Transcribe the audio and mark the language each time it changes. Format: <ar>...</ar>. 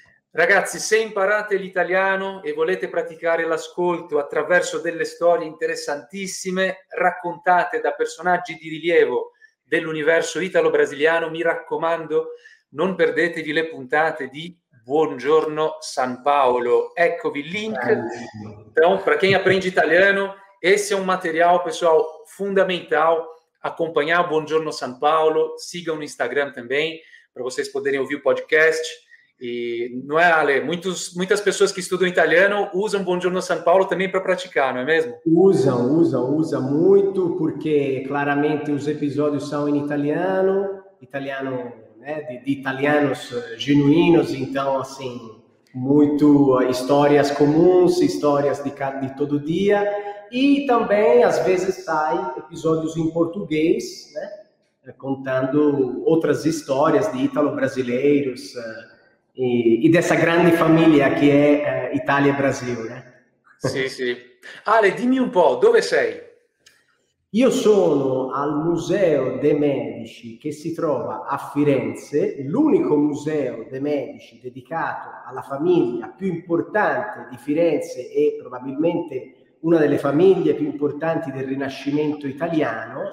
<it>Ragazzi, se imparate l'italiano e volete praticare l'ascolto attraverso delle storie interessantissime raccontate da personaggi di rilievo dell'universo italo-brasiliano, mi raccomando, non perdetevi le puntate di Buongiorno San Paolo. Eccovi il link.</it> <pt>Então, para quem aprende italiano, esse é um material, pessoal, fundamental. Acompanhar o Buongiorno San Paolo, sigam no Instagram também, para vocês poderem ouvir o podcast. E não é, Ale? Muitas pessoas que estudam italiano usam Buongiorno San Paolo também para praticar, não é mesmo? Usa muito, porque claramente os episódios são em italiano, né, de italianos genuínos, então assim, muito histórias comuns, histórias de todo dia, e também às vezes sai episódios em português, né, contando outras histórias de ítalo-brasileiros e dessa grande família que é Itália-Brasil, né?</pt> <it>Sì, sì. Ale, dimmi un po', dove sei? Io sono al Museo de Medici, che si trova a Firenze, l'unico museo de Medici dedicato alla famiglia più importante di Firenze e probabilmente una delle famiglie più importanti del Rinascimento italiano.</it>